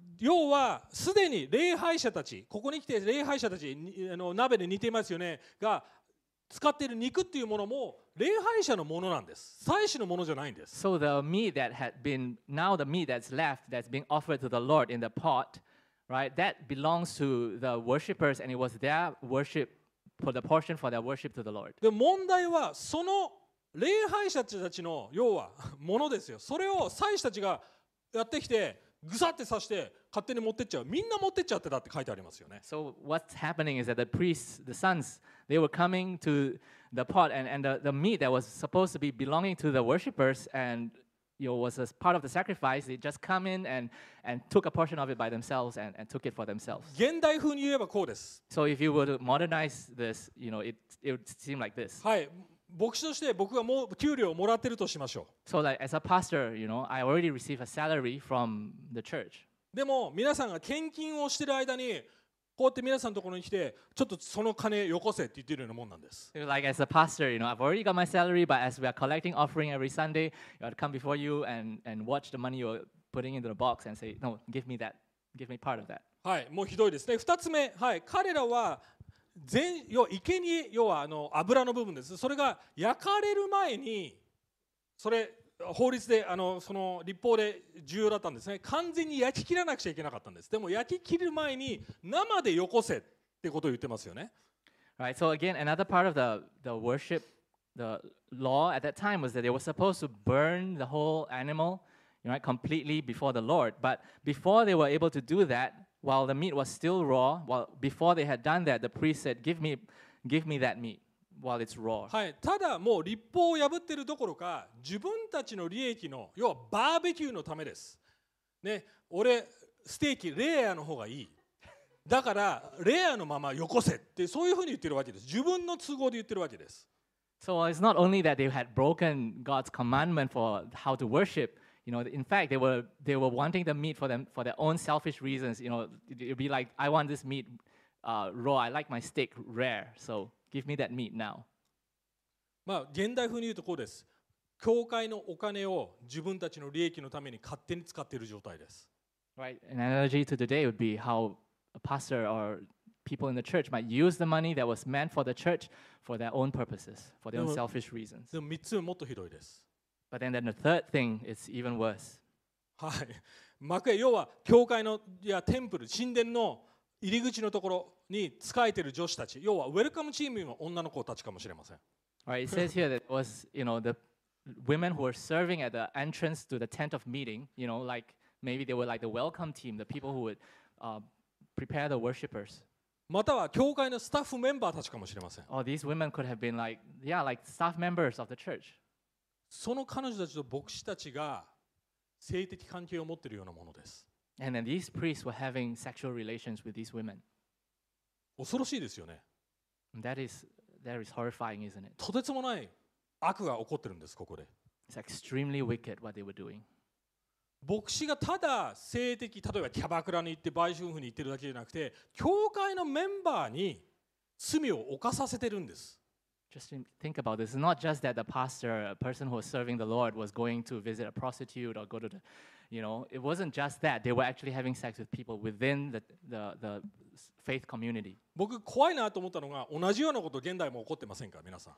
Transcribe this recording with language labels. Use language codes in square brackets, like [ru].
[ja] 要はすでに礼拝者たち、ここに来て礼拝者たち、鍋で煮てますよね、が使っている肉っていうものも礼拝者のものなんです。祭司のものじゃないんです。 [en] So the meat that had been, now the meat that's left that's being offered to the Lord in the pot, right, that belongs to the worshippers and it was their worship for the portion for their worship to the Lord. [ja] で問題はその礼拝者たちの要はものですよ。それを祭司たちがやってきてぐさって刺して勝手に持ってっちゃう。みんな持ってっちゃってたって書いてありますよね。 [en] So what's happening is that the priests, the sons, they were coming to the pot and the meat that was supposed to be belonging to the worshippers and you know, was a part of the sacrifice. They just come in and took a portion of it by themselves and took it for themselves. [ja] 現代風に言えばこうです。 [en] So if you were to modernize this, you know, it would seem like this. [ja] はい。牧師として僕がもう給料をもらってるとしましょう。 [en] So like as a pastor, you know, I already receive a salary from the church. [ja] でも皆さんが献金をしてる間にこうやって皆さんのところに来てちょっとその金よこせって言ってるようなもんなんです。 [en] Like as a pastor, you know, I've already got my salary, but as we are collecting offering every Sunday, you have to come before you and watch the money you're putting into the box and say, no, give me that, give me part of that. [ja] はい、もうひどいですね。二つ目、はい、彼らは全要は生贄、要はあの油の部分です。それが焼かれる前に、それ法律であのその立法で重要だったんですね。完全に焼き切らなくちゃいけなかったんです。でも焼き切る前に生でよこせってことを言ってますよね。 [en] Right, so again, another part of the worship, the law at that time was that they were supposed to burn the whole animal, you know, completely before the Lord. But before they were able to do that,While the meat was still raw, well, before they had done that, the priest said, give me that meat while it's raw. [ja] はい、ただもう立法を破ってるどころか、自分たちの利益の、要はバーベキューのためです。ね、俺、ステーキ、レアの方がいい。だから、レアのままよこせって、そういうふうに言ってるわけです。自分の都合で言ってるわけです。 [en] So it's not only that they had broken God's commandment for how to worship,You know, in fact, they were wanting the meat for them for their own selfish reasons. You know, it'd be like, I want this meat raw. I like my steak rare. So give me that meat now. [ja] まあ現代風に言うとこうです。教会のお金を自分たちの利益のために勝手に使っている状態です。 [en] Right. An analogy to today would be how a pastor or people in the church might use the money that was meant for the church for their own purposes, for their own selfish reasons. [ja] でも3つ目もっとひどいです。 [en] But then the third thing is even worse. [ja] はい。幕屋、要は教会のいやテンプル、神殿の入り口のところに仕えている女子たち、要はウェルカムチームの女の子たちかもしれません。 [en] Right, it says here that it was, you know, the women who were serving at the entrance to the tent of meeting, you know, like maybe they were like the welcome team, the people who would prepare the worshippers. [ja] または教会のスタッフメンバーたちかもしれません。 [en] Oh, these women could have been like, yeah, like staff members of the church. [ja] その彼女たちと牧師たちが性的関係を持っているようなものです。 [en] And then these priests were having sexual relations with these women. [ja] 恐ろしいですよね。 [en] That is horrifying, isn't it? [ja] とてつもない悪が起こってるんです、ここで。 [en] It's extremely wicked what they were doing. [ja] 牧師がただ性的、例えばキャバクラに行って売春婦に行ってるだけじゃなくて、教会のメンバーに罪を犯させてるんです。 [en] Just think about this. It's not just that the pastor, a person who was serving the Lord, was going to visit a prostitute or go to the, you know, it wasn't just that. They were actually having sex with people within the faith community. [ja] 僕怖いなと思ったのが、同じようなこと現代も起こってませんか、皆さん。